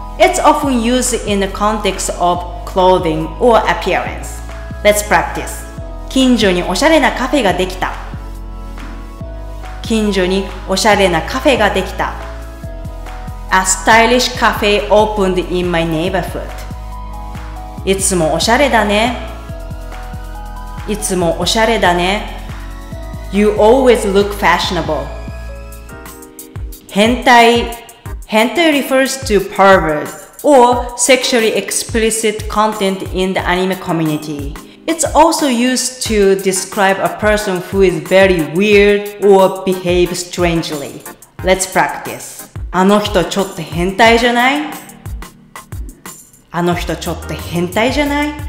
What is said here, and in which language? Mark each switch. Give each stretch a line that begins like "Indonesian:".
English: It's often used in the context of clothing or appearance. Let's practice.
Japanese: 近所におしゃれなカフェができた。近所におしゃれなカフェができた。
English: A stylish cafe opened in my neighborhood.
Japanese: いつもおしゃれだね。いつもおしゃれだね。
English: You always look fashionable.
Japanese: 変態。
English: 変態 refers to pervert or sexually explicit content in the anime community. It's also used to describe a person who is very weird or behaves strangely. Let's practice.
Japanese: あの人ちょっと変態じゃない？あの人ちょっと変態じゃない？